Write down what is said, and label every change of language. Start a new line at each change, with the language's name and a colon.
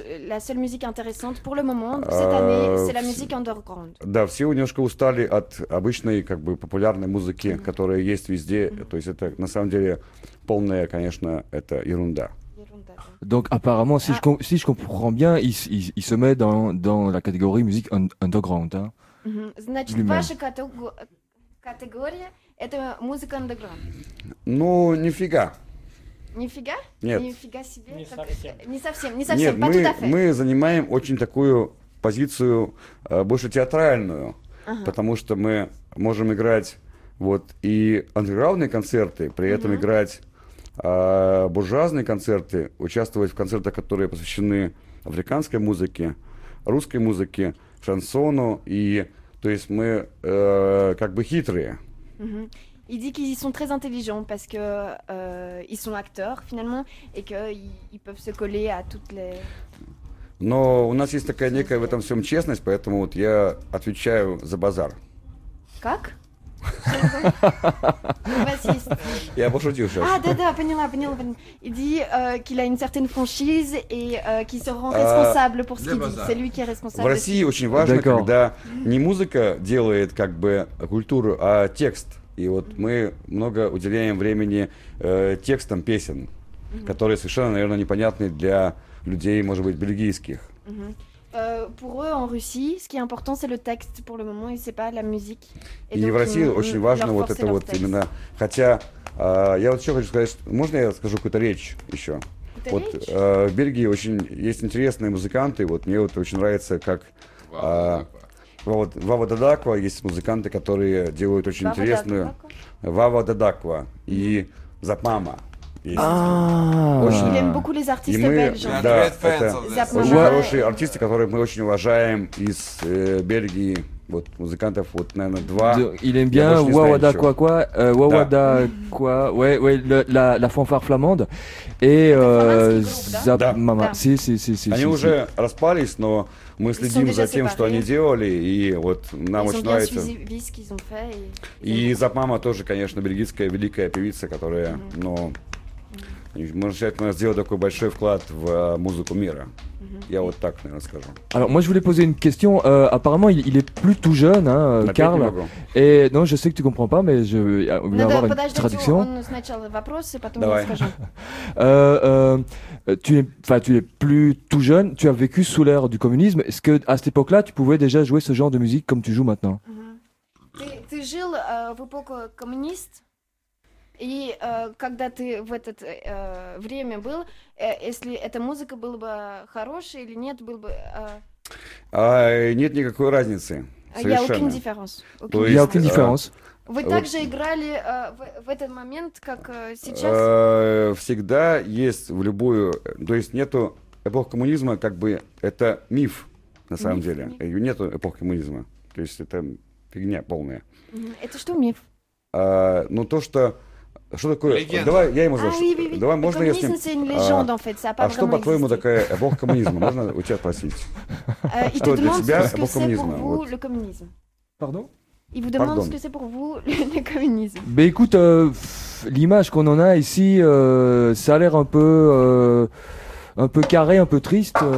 French: La seule musique intéressante pour le moment cette année, c'est la musique underground.
Russian: Да, все немножко устали от обычной как бы популярной музыки, mm-hmm. которая есть везде. Mm-hmm. То есть это на самом деле полная, конечно, это ерунда.
French: Donc apparemment, si je comprends bien, il se met dans la catégorie musique underground. Hein, mm-hmm.
Russian: Значит,
French: lui-même.
Russian: Ваша категория это музыка underground. Ну, нифига. Нифига? Нет. Нифига себе. Не совсем. Нет, мы занимаем очень такую позицию больше театральную, ага. потому что мы можем играть вот и андерграундные концерты, при этом ага. играть буржуазные концерты, участвовать в концертах, которые посвящены африканской музыке, русской музыке, шансону, и то есть мы как бы хитрые. Ага.
French: Il dit qu'ils sont très intelligents parce que ils sont acteurs finalement et que ils peuvent se coller à toutes les.
Russian: Но у нас есть такая некая в этом всем честность, поэтому вот я отвечаю за базар. Как? Я пошутил сейчас. А, да, поняла.
French: Il dit qu'il a une certaine franchise et qu'il se rend responsable pour ce qu'il dit. C'est lui qui est responsable.
Russian: В России очень важно, когда не музыка делает как бы культуру, а текст. И вот мы много уделяем времени текстам песен, mm-hmm. которые совершенно, наверное, непонятны для людей, может быть, бельгийских. Mm-hmm.
French: Pour eux, en Russie, ce qui est important, c'est le texte pour le moment, et c'est pas la musique.
Russian: И donc, в России очень важно вот это вот именно. Хотя, я вот еще хочу сказать, что, можно я скажу какую-то речь еще? Какую-то вот, речь? В Бельгии очень есть интересные музыканты, вот мне вот очень нравится, как... Вава Дадаква, есть музыканты, которые делают очень Вава интересную... Вава Дадаква и Запмама. Очень...
French: Il aime beaucoup les artistes belges.
Russian: Да, это очень хорошие артисты, которые мы очень уважаем из Бельгии. Вот музыкантов, вот, наверное, два. Il aime bien Вава Дадаква, Вава Дадаква, la fanfare flamande, et Запмама. Они уже распались, но мы следим за тем, что они делали, и вот нам
French: ils
Russian: очень нравится.
French: Fait,
Russian: и Запмама тоже, конечно, бельгийская великая певица, которая, mm-hmm. но Можно сказать, мы сделали такой большой вклад в музыку мира. Я вот так, наверное, скажу.
French: Alors, moi, je voulais poser une question. Apparemment, il est plus tout jeune, hein, Карл. Et non, je sais que tu comprends pas, mais je vais avoir une traduction.
Russian: Надо подождать, он сначала вопрос, и потом я скажу.
French: Tu es plus tout jeune, tu as vécu sous l'ère du communisme. Est-ce que à cette époque-là, tu pouvais déjà jouer ce genre de musique comme tu joues maintenant?
Russian: Ты жил в эпоху коммунист, и когда ты в это время был, если эта музыка была бы хорошей или нет, был бы... Нет никакой разницы. Совершенно. Я
French: aucune différence.
Russian: Вы также играли в этот момент, как сейчас? Всегда есть в любую... То есть нету эпохи коммунизма, как бы это миф, на самом деле. Нету эпохи коммунизма. То есть это... Фигня полная. Это что, миф? Ну, то, что... Что такое... Легенда. Давай, я ему зашу. Давай, можно я с ним... Легенда,
French: en fait.
Russian: А что, по-твоему, такая эпоха коммунизма? Можно у тебя спросить? Что для тебя эпоха коммунизма? Что для тебя коммунизм?
French: Pardon? Il vous demande ce que c'est pour vous le communisme. Ben écoute, l'image qu'on en a ici, ça a l'air un peu carré, un peu triste.